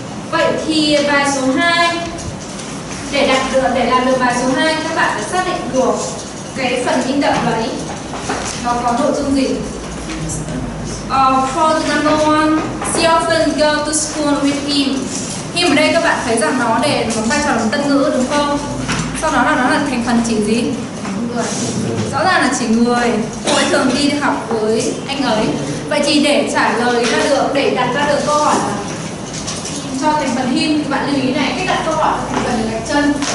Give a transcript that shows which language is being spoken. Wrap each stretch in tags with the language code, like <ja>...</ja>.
<vi>Vậy thì bài số 2, để đạt được, để làm được bài số 2, các bạn phải xác định được cái phần in đậm đấy nó có nội dung gì.</vi> <en>For the number one, she often go to school with him.</en> <vi>Him ở đây các bạn thấy rằng nó để nó vai trò tân ngữ đúng không? Sau đó là nó là thành phần chỉ gì? Rõ ràng là chỉ người. Cô ấy thường đi học với anh ấy. Vậy thì để trả lời ra được, để đặt ra được câu hỏi cho thành phần him, các bạn lưu ý này, cách đặt câu hỏi cho thành phần gạch chân.</vi>